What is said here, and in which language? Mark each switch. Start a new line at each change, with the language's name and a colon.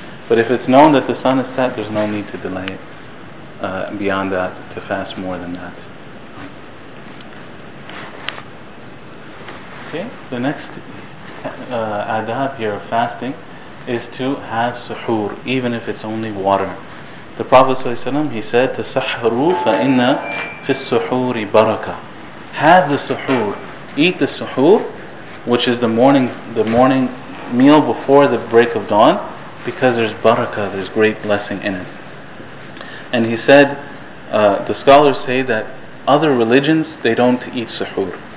English: But if it's known that the sun has set, there's no need to delay it beyond that, to fast more than that. Okay, the next adab here of fasting is to have suhoor, even if it's only water.
Arabic: The Prophet ﷺ,
English: he said,
Arabic: تَسَحْرُوا فَإِنَّ فِي السُّحُورِ بَرَكَةٌ.
English: Have the suhoor. Eat the suhoor, which is the morning meal before the break of dawn, because there's barakah, there's great blessing in it. And he said, the scholars say that other religions, they don't eat suhoor.